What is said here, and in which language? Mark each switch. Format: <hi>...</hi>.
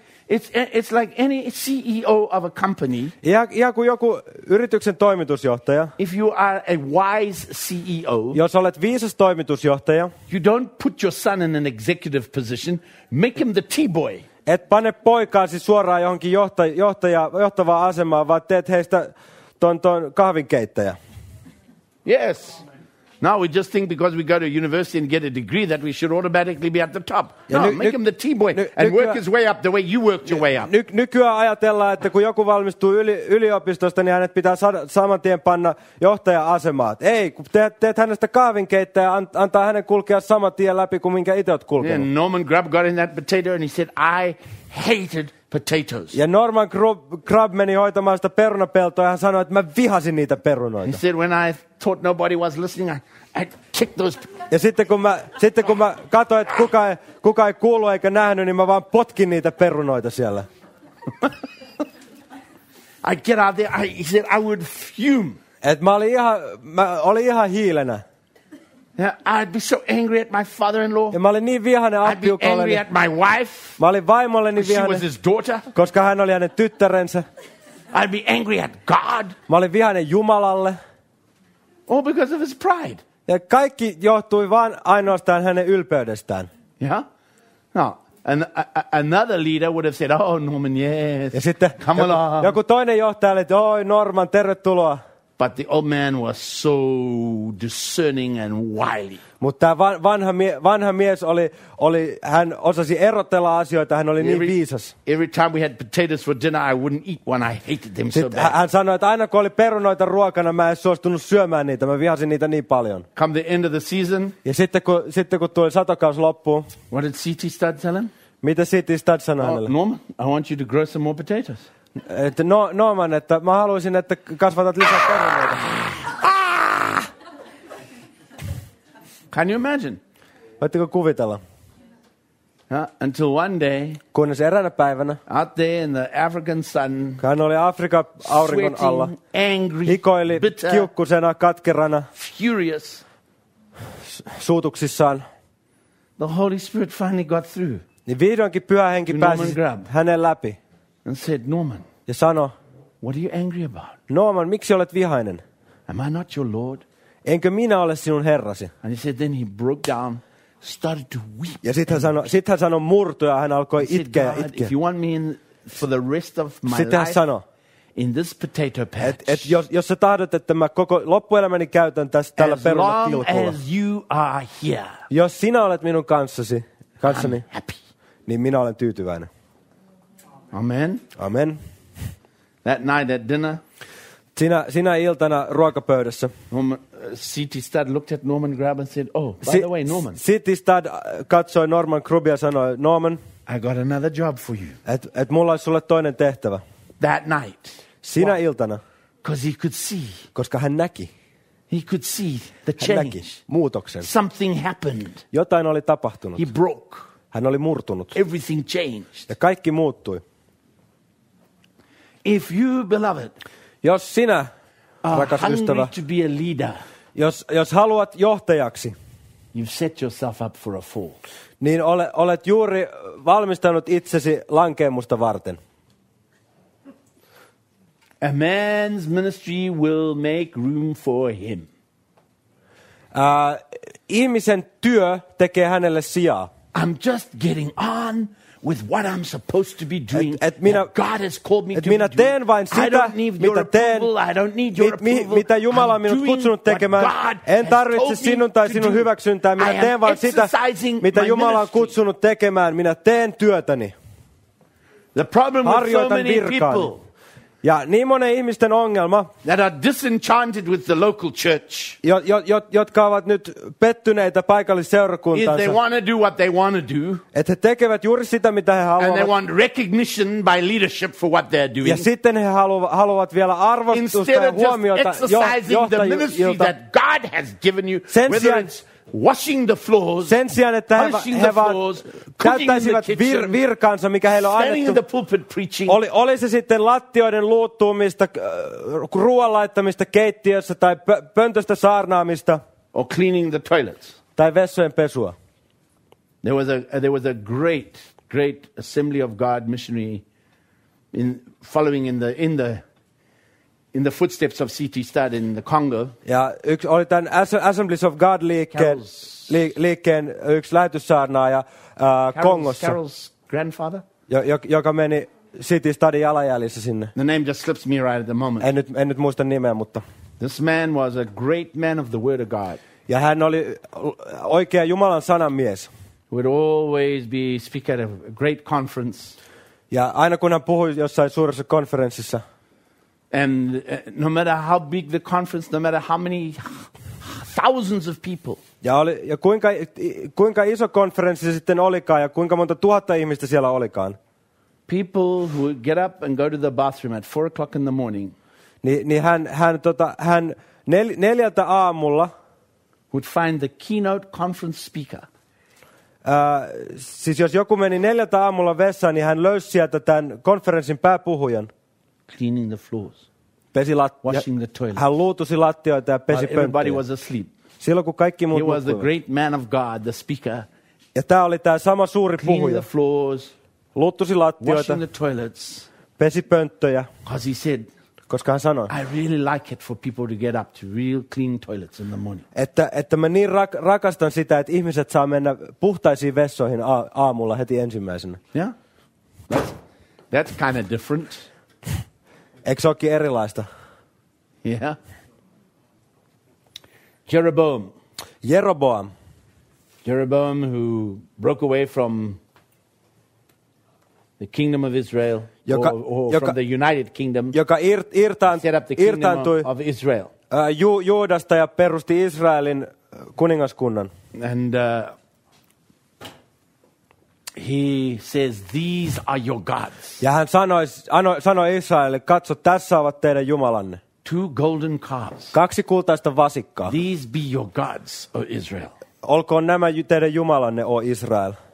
<en>It's like any CEO of a company.</en> <fi>Ihan kuin joku yrityksen toimitusjohtaja.</fi> <en>If you are a wise CEO.</en> <fi>Jos olet viisas toimitusjohtaja.</fi> <en>You don't put your son in an executive position. Make him the T-boy.</en> <fi>Et pane poikaasi suoraan johonkin johtavaan asemaan, vaan teet heistä ton kahvinkeittäjä.</fi> <en>Yes. Now we just think because we go to university and get a degree that we should automatically be at the top. Make him the T-boy and work his way up the way you worked your way up.</en> <fi>Nykyään ajatellaan, että kun joku valmistuu yliopistosta, niin hänet pitää saman tien panna johtaja-asemaan. Ei, kun teet hänestä kahvinkeittäjä, antaa hänen kulkea saman tien läpi kuin minkä itse olet kulkenut.</fi> <en>Yeah, Norman Grubb got in that potato and he said, I hated potatoes.</en> <fi>Ja Norman Grubb meni hoitamaan sitä perunapeltoa ja hän sanoi, että mä vihasin niitä perunoita.</fi> <en>He said, when I thought nobody was listening, I kicked those.</en> <fi>Ja sitten kun mä katsoin, että kuka ei kuulu eikä nähnyt, niin mä vaan potkin niitä perunoita siellä.</fi> <en>I get out there, he said, I would fume.</en> <fi>Et mä olin ihan hiilenä.</fi> <en>Yeah, I'd be so angry at my father-in-law.</en> <fi>Ja mä olin niin vihainen appiukolleni.</fi> <en>I'd be angry at my wife.</en> <fi>Mä olin vaimolleni vihainen.</fi> <en>She was his daughter.</en> <fi>Koska hän oli hänen tyttärensä.</fi> <en>I'd be angry at God.</en> <fi>Mä olin vihainen Jumalalle.</fi> <en>All because of his pride.</en> <fi>Ja kaikki johtui vain ainoastaan hänen ylpeydestään.</fi> <en>Yeah? No. And another leader would have said, oh Norman, yes.</en> <fi>Ja sitten</fi> <en>come along.</en> <fi>Joku toinen johtaja oli, oi Norman, tervetuloa.</fi> <en>But the old man was so discerning and wily.</en> <fi>Mutta vanha mies oli hän osasi erotella asioita, hän oli niin viisas.</fi> <en>Every time we had potatoes for dinner, I wouldn't eat one. I hated them so bad.</en> <fi>Hän sanoi, että aina kun oli perunoita ruokana, mä en suostunut syömään niitä. Mä vihasin niitä niin paljon.</fi> <en>Come the end of the season.</en> <fi>Ja sitten kun tuli satokausi loppuun.</fi> <en>What did C.T. Studd tell him?</en> <fi>Mitä C.T. Studd sanoi hänelle?</fi> <en>Norman, I want you to grow some more potatoes.</en> <fi>Että Norman, että mä haluaisin, että kasvatat lisää perunoita.</fi> <en>Can you imagine?</en> <fi>Voitteko kuvitella?</fi> <en>Yeah, until one day.</en> <fi>Kunnes eräänä päivänä.</fi> <en>Out there in the African sun.</en> <fi>Hän oli Afrikan auringon alla.</fi> <en>Angry,</en> <fi>hikoili</fi> <en>bitter,</en> <fi>kiukkusena, katkerana.</fi> <en>Furious.</en> <fi>Suutuksissaan.</fi> <en>The Holy Spirit finally got through.</en> <fi>Niin vihdoinkin Pyhä Henki pääsi hänen läpi.</fi> <en>And said, Norman.</en> <fi>Ja sano,</fi> <en>what are you angry about?</en> <fi>Norman, miksi olet vihainen?</fi> <en>Am I not your Lord?</en> <fi>Enkö minä ole sinun herrasi?</fi> <en>And he said, then he broke down, started to weep.</en> <fi>Ja sit hän sano murtu ja hän alkoi itkeä.</fi> <en>Said, God, if you want me in for the rest of my</en> <fi>sitten</fi> <en>life,</en> <fi>sano,</fi> <en>in this potato patch.</en> <fi>Jos sä tahdot, että mä koko loppuelämäni käytän tällä perunatilkulla.</fi> <en>As long as you are here.</en> <fi>Jos sinä olet minun kanssani,</fi> <en>I'm happy.</en> <fi>Niin minä olen tyytyväinen.</fi> <en>Amen.</en> <fi>Amen.</fi> <en>That night at dinner.</en> <fi>Sinä iltana ruokapöydässä.</fi> <en>C.T. Studd looked at Norman Grubb and said, oh, by the way, Norman.</en> <fi>C.T. Studd katsoi Norman Grubbia ja sanoi, Norman.</fi> <en>I got another job for you.</en> <fi>Et mulla olisi sulle toinen tehtävä.</fi> <en>That night.</en> <fi>Sinä</fi> <en>what?</en> <fi>Iltana.</fi> <en>Because he could see.</en> <fi>Koska hän näki.</fi> <en>He could see the change.</en> <fi>Hän näki muutoksen.</fi> <en>Something happened.</en> <fi>Jotain oli tapahtunut.</fi> <en>He broke.</en> <fi>Hän oli murtunut.</fi> <en>Everything changed.</en> <fi>Ja kaikki muuttui.</fi> <en>If you, beloved,</en> <fi>jos sinä, rakas ystävä,</fi> <en>to be a leader,</en> <fi>jos haluat johtajaksi,</fi> <en>you've set yourself up for a fall.</en> <fi>Niin olet juuri valmistanut itsesi lankeemusta varten.</fi> <en>A man's ministry will make room for him.</en> <fi>Ihmisen työ tekee hänelle sijaa.</fi> <en>I'm just getting on with what I'm supposed to be doing. God has called me to</en> <fi>minä teen vain sitä,</fi> <en>I don't need your approval. I don't need your approval.</en> <fi>Mitä Jumala minut kutsunut tekemään. En tarvitse sinun tai sinun hyväksyntää. Minä teen vain sitä, mitä Jumala on kutsunut tekemään. Minä teen työtäni.</fi> <en>The problem with so many people.</en> <fi>Ja niin monen ihmisten ongelma.</fi> <en>That are disenchanted with the local church.</en> <fi>Jotka ovat nyt pettyneitä paikallisseurakuntaansa.</fi> <en>If they want to do what they want to do.</en> <fi>Että he tekevät juuri sitä, mitä he haluavat.</fi> <en>And they want recognition by leadership for what they're doing.</en> <fi>Ja sitten he haluavat vielä arvostusta ja huomiota johtajilta.</fi> <en>Instead of just exercising the ministry that God has given you,</en> <fi>sen sijaan,</fi> <en>whether it's washing the floors,</en> <fi>sen sijaan, että</fi> <en>polishing the floors,</en> <fi>täyttäisivät virkansa, mikä heillä on annettu.</fi> <en>Standing in the pulpit preaching.</en> <fi>Oli se sitten lattioiden luuttuumista, ruoan laittamista keittiössä tai pöntöstä saarnaamista.</fi> <en>Or cleaning the toilets.</en> <fi>Tai vessojen pesua.</fi> <en>There was a great assembly of God missionary in following in the footsteps of CT Studd in the Congo.</en> <fi>Ja yksi oli tämän Assemblies of God liikkeen yksi lähetyssaarnaaja Kongossa.</fi> <en>Carol's grandfather.</en> <fi>Joka meni CT Studdin jalanjäljissä sinne.</fi> <en>The name just slips me right at the moment.</en> <fi>En nyt muista nimeä, mutta</fi> <en>this man was a great man of the word of God.</en> <fi>Ja hän oli oikea Jumalan sanan mies.</fi> <en>Would always be speak at a great conference.</en> <fi>Ja aina kun hän puhui jossain suuressa konferenssissa.</fi> <en>And no matter how big the conference, no matter how many thousands of people.</en> <fi>Ja kuinka iso konferenssi sitten olikaan ja kuinka monta tuhatta ihmistä siellä olikaan.</fi> <en>People who get up and go to the bathroom at 4 o'clock in the morning.</en> <fi>Niin hän 4 aamulla</fi> <en>would find the keynote conference speaker.</en> <fi>Siis jos joku meni 4 aamulla vessaan, niin hän löysi sieltä tämän konferenssin pääpuhujan.</fi> <en>Cleaning the floors.</en> <fi>Pesi</fi> <en>washing the toilets.</en> <fi>Hän luutusi lattioita ja pesi pönttöjä.</fi> <en>Everybody was asleep.</en> <fi>Silloin kun kaikki muut nukkuivat.</fi> <en>He was the great man of God, the speaker.</en> <fi>Ja tämä oli tämä sama suuri</fi> <en>cleaning</en> <fi>puhuja.</fi> <en>Cleaning the floors.</en> <fi>Luutusi lattioita.</fi> <en>Washing the toilets.</en> <fi>Pesi pönttöjä.</fi> <en>Because he said.</en> <fi>Koska hän sanoi.</fi> <en>I really like it for people to get up to real clean toilets in the morning.</en> <fi>Että mä niin rakastan sitä, että ihmiset saa mennä puhtaisiin vessoihin aamulla heti ensimmäisenä.</fi> <en>Yeah. That's kind of different.</en> <fi>Eikö se olekin erilaista?</fi> <en>Yeah. Jeroboam.</en> <fi>Jeroboam.</fi> <en>Jeroboam who broke away from the kingdom of Israel,</en> <fi>joka</fi> <en>from the United Kingdom,</en> <fi>joka irtaantui</fi> <en>of Israel,</en> <fi>Juudasta ja perusti Israelin kuningaskunnan.</fi> <en>And he says, "These are your gods."</en> <fi>Ja hän sanoi Israelille, katso, tässä ovat teidän jumalanne.</fi> <en>Two golden calves.</en> <fi>Kaksi kultaista vasikkaa.</fi> <en>These be your gods, O Israel.</en> <fi>Olkoon nämä teidän jumalanne, O Israel.</fi>